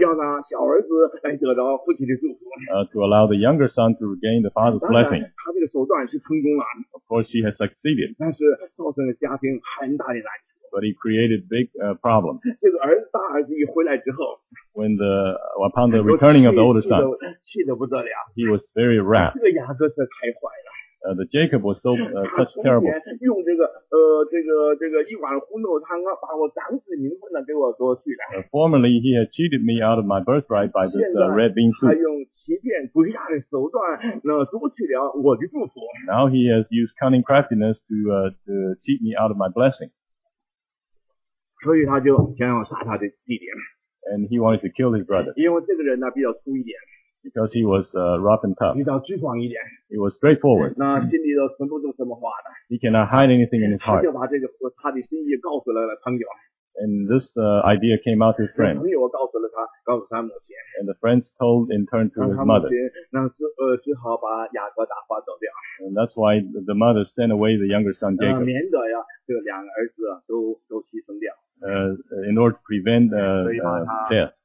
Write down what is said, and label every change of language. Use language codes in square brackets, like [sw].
[zh] 要让小儿子来得到父亲的祝福。 [en] To allow the younger son to regain the father's blessing. [zh] 他这个手段是成功了。 [en] Of course, she has succeeded. [zh] 但是造成了家庭很大的难题。 [en] But he created big problems. [zh] 这个儿子大儿子一回来之后。 [en] When the upon the returning of the older son, [zh] 气得不得了 [en] he was very wrath. [zh] 这个雅各是太坏了 [en] The Jacob was so such terrible. [zh] 他从前用这个一碗红豆汤把我长子名分呢给我夺去了 [en] Formerly he had cheated me out of my birthright by this red bean soup. [zh] 现在他用欺骗诡诈的手段那夺取了我的祝福 [en] Now he has used cunning craftiness to cheat me out of my blessing. [zh] 所以他就想要杀他的弟弟。 [en] And he wanted to kill his brother. [zh] 因为这个人呢比较粗一点。 [en] Because he was rough and tough. [zh] 比较直爽一点。 [en] He was straightforward. [zh] 那心里头存不住什么话的。 [en] He cannot hide anything in his heart. [zh] 他就把这个他的心意告诉了朋友。 [en] And this idea came out to his friend. [zh] 朋友告诉了他，告诉他母亲。 [en] And the friends told in turn to his mother. [zh] 那只好把雅各打发走掉。 [en] And that's why the mother sent away the younger son Jacob. [zh] 免得呀，这两个儿子都牺牲掉。 [en] In order to prevent death.